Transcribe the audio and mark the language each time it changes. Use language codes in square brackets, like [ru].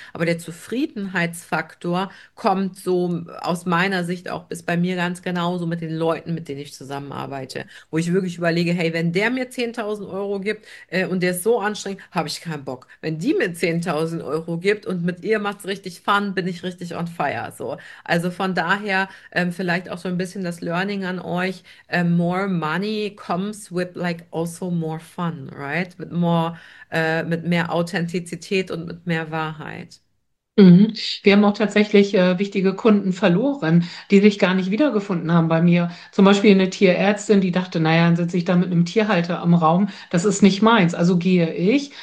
[de] Aber der Zufriedenheitsfaktor kommt so aus meiner Sicht auch bis bei mir ganz genauso mit den Leuten, mit denen ich zusammenarbeite, wo ich wirklich überlege, hey, wenn der mir 10.000 Euro gibt, und der ist so anstrengend, habe ich keinen Bock. Wenn die mir 10.000 Euro gibt und mit ihr macht es richtig Fun, bin ich richtig [en] on fire. [de] So. Also von daher, vielleicht auch so ein bisschen das Learning an euch. [en] More money comes with like also more fun. Fun, right? [de] Mit mehr Authentizität und mit mehr Wahrheit. Wir haben auch tatsächlich wichtige Kunden verloren, die sich gar nicht wiedergefunden haben bei mir. Zum Beispiel eine Tierärztin, die dachte, naja, dann sitze ich da mit einem Tierhalter am Raum, das ist nicht meins, also gehe ich.